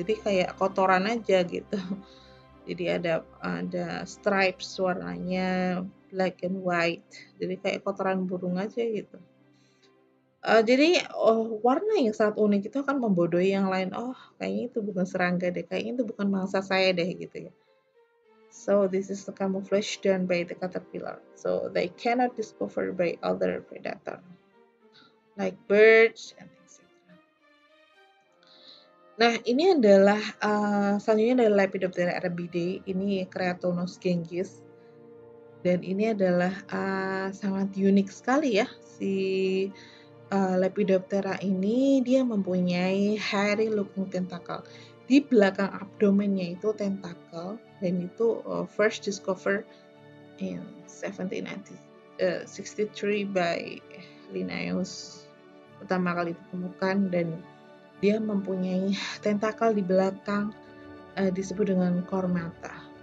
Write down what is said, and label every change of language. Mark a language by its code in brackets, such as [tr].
[id] Jadi kayak kotoran aja gitu. Jadi ada stripes warnanya [en] black and white. [id] Jadi kayak kotoran burung aja gitu. Jadi warna yang sangat unik itu akan membodohi yang lain. Oh, kayaknya itu bukan serangga deh. Kayaknya itu bukan mangsa saya deh gitu ya. [en] So this is the camouflage done by the caterpillar. So they cannot discover by other predator like birds and etc. [id] Nah, ini adalah selanjutnya adalah Lepidoptera rebidae. Ini Creatonus genghis. Dan ini adalah sangat unik sekali ya, si Lepidoptera ini. Dia mempunyai [en] hairy looking tentacle. [id] Di belakang abdomennya itu tentakel, dan itu [en] first discovered in 1763 by Linnaeus, [id] pertama kali ditemukan, dan dia mempunyai tentakel di belakang disebut dengan cormata.